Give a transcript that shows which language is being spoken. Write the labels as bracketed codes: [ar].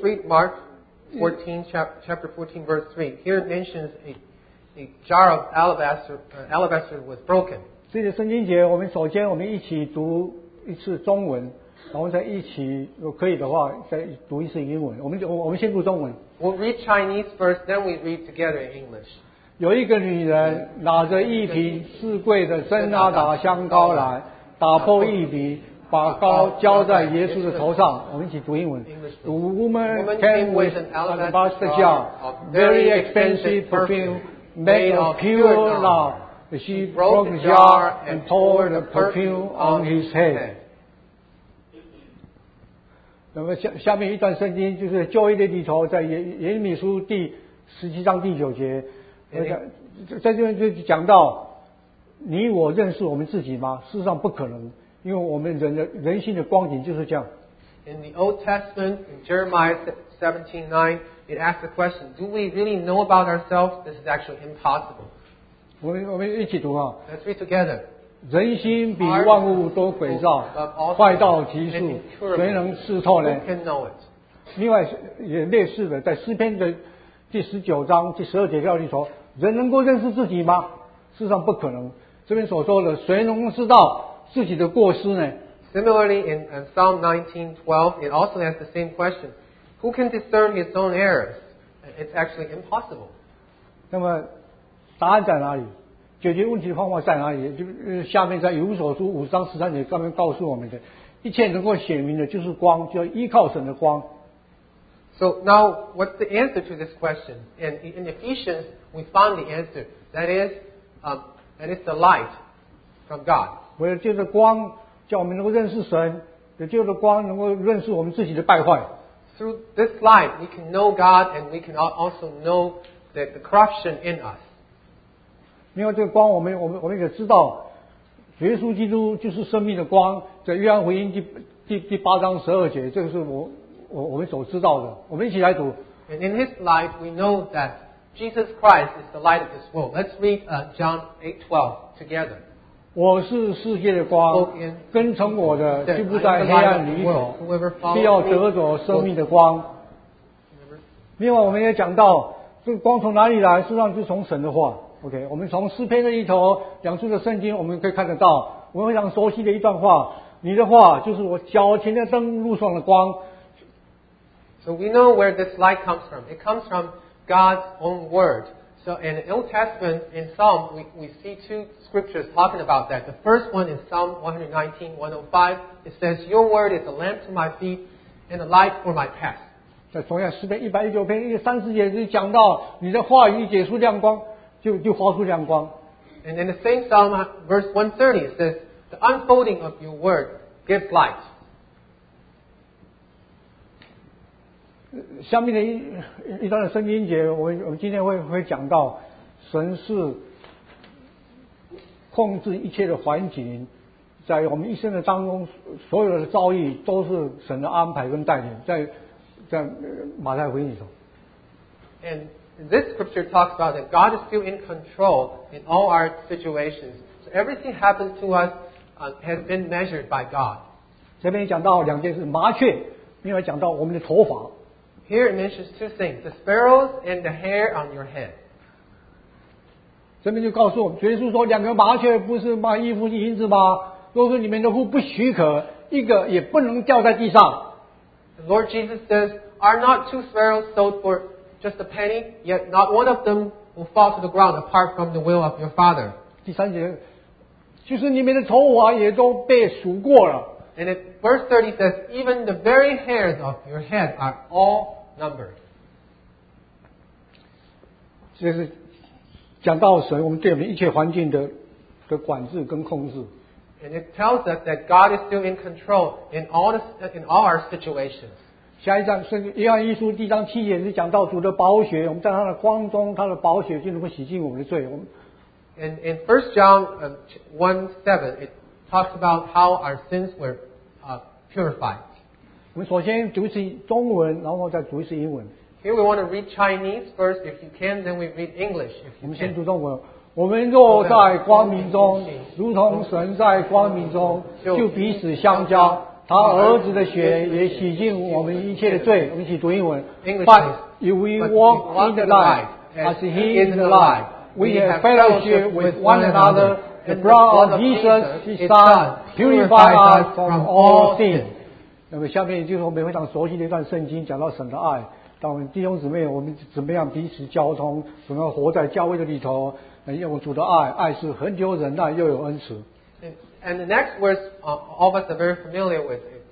[en] read Mark 14 chapter 14 verse 3. Here it mentions a jar of alabaster was broken. [zh] 这些圣经节，我们首先一起读一次中文。然后再一起，如果可以的话，再读一次英文。我们先读中文。 [en] We'll read Chinese first, then we read together in English. [zh] 有一个女人拿着一瓶四贵的真拿达香膏来，打破一瓶。把膏浇在耶稣的头上。我们一起读英文。 [en] The woman came with an alabaster jar of very expensive perfume made of pure love. She broke the jar and poured the perfume on his head. [zh] 那么下面一段圣经就是旧约的里头，在耶利米书第十七章第九节，在这边就讲到，你我认识我们自己吗？事实上不可能，因为我们人性的光景就是这样。 [en] In the Old Testament, in Jeremiah 17:9, it asks the question, "Do we really know about ourselves?" This is actually impossible. [zh] 我们一起读啊。 [en] Let's read together. [zh] 人心比万物都诡诈，坏到极处，谁能识透呢？ [en] Who can know it? [zh] 另外也类似的，在诗篇的第十九章第十二节告诉你说，人能够认识自己吗？事实上不可能。这边所说的，谁能知道自己的过失呢？ [en] Similarly, in Psalm 19:12, it also asks the same question: Who can discern his own errors? It's actually impossible. [zh] 那么答案在哪里？解决问题的方法在哪里？就下面在以弗所书五章十三节上面告诉我们的，一切能够显明的就是光，就要依靠神的光。 [en] So now, what's the answer to this question? And in Ephesians, we found the answer. That is the light from God. [zh] 为了借着光，叫我们能够认识神；也借着光，能够认识我们自己的败坏。 [en] Through this light, we can know God, and we can also know the corruption in us. [zh] 因为这个光，我们也知道，耶稣基督就是生命的光，在约翰福音第八章十二节，这个是我们所知道的，我们一起来读。 [en] And in his light, we know that Jesus Christ is the light of this world. Let's read John 8:12 together. [zh] 我是世界的光，跟从我的就不在黑暗里走，必要得着生命的光。另外，我们也讲到这个光从哪里来，事实上就从神的话。 OK， 我们从诗篇的一头两处的圣经，我们可以看得到，我们非常熟悉的一段话：你的话就是我脚前的灯，路上的光。 [en] So we know where this light comes from. It comes from God's own word. So in the Old Testament, in Psalm, we see two scriptures talking about that. The first one is Psalm 119:105. It says, Your word is a lamp to my feet and a light for my path. [zh] 在同样诗篇119篇130节就讲到，你的话语一解出亮光，就发出亮光。 [en] And in the same Psalm, verse 130, it says, The unfolding of your word gives light. [zh] 下面的一段的圣经节，我们今天会讲到，神是控制一切的环境，在我们一生的当中，所有的遭遇都是神的安排跟带领，在马太福音里头。 [en] And this scripture talks about that God is still in control in all our situations. So everything happens to us has been measured by God. [zh] 这边讲到两件事，麻雀，另外讲到我们的头发。 [en] Here it mentions two things, the sparrows and the hair on your head. [zh] 这边就告诉我们，耶稣说两个麻雀不是卖衣服银子吗？若是你们的父不许可，一个也不能掉在地上。 [en] The Lord Jesus says, Are not two sparrows sold for just a penny? Yet not one of them will fall to the ground apart from the will of your Father. [zh] 第三节，就是你们的头发也都被数过了。 [en] And it, verse 30 says, even the very hairs of your head are all numbered. [zh] 这是讲到神，我们对我们一切环境的管制跟控制。 [en] And it tells us that God is still in control in all our situations. [zh] 下一章圣经约翰一书第一章七节是讲到主的宝血，我们在他的光中，他的宝血就能够洗净我们的罪。我们 [en] And in 1 John 1:7 it talks about how our sins were purified. [zh] 我们首先读一次中文，然后再读一次英文。 [en] Here we want to read Chinese first, if you can, then we read English. [zh] 我们先读中文。我们若在光明中，如同神在光明中，就彼此相交。他儿子的血也洗净我们一切的罪。我们一起读英文。 [en] But if we walk in the light, as He is in the light, we have fellowship with one another. The blood of Jesus, His Son, purify us from all sin. [zh] 那么下面就是我们非常熟悉的一段圣经，讲到神的爱。当我们弟兄姊妹，我们怎么样彼此交通，怎么样活在教会的里头，用主的爱，爱是恒久忍耐又有恩慈。 [en] And the next verse, all of us are very familiar with it.